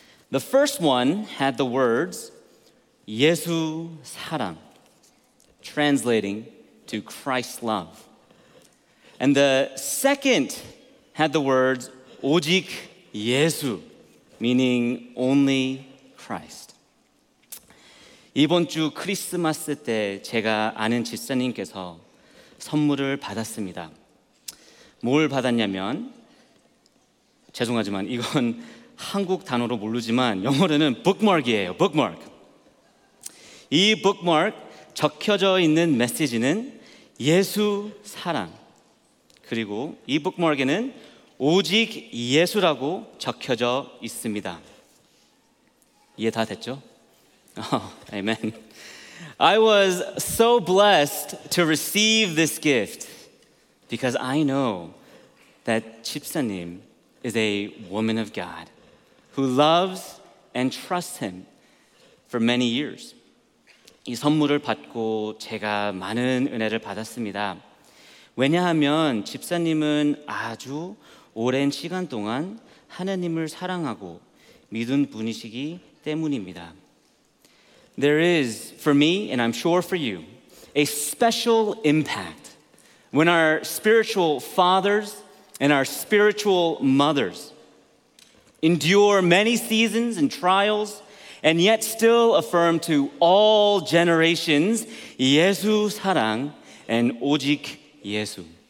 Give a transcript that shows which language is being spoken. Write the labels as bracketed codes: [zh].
[en] The first one had the words, [ko] 예수 사랑, [en] translating to Christ's love. And the second had the words, [ko] 오직 예수, [en] meaning only Christ. [ko] 이번 주 크리스마스 때 제가 아는 집사님께서 선물을 받았습니다. 뭘 받았냐면, 죄송하지만 이건 한국 단어로 모르지만 영어로는 bookmark이에요, bookmark. 이 bookmark 적혀져 있는 메시지는 예수 사랑. 그리고 이 bookmark에는 오직 예수라고 적혀져 있습니다. 이해 다 됐죠? [en] Oh, amen. I was so blessed to receive this gift because I know that 집사님 is a woman of God who loves and trusts him for many years. [ko] 이 선물을 받고 제가 많은 은혜를 받았습니다. 왜냐하면 집사님은 아주 오랜 시간 동안 하느님을 사랑하고 믿은 분이시기 때문입니다. [en] There is, for me, and I'm sure for you, a special impact when our spiritual fathers and our spiritual mothers endure many seasons and trials and yet still affirm to all generations [ko] 예수 사랑 [en] and [ko] 오직 예수.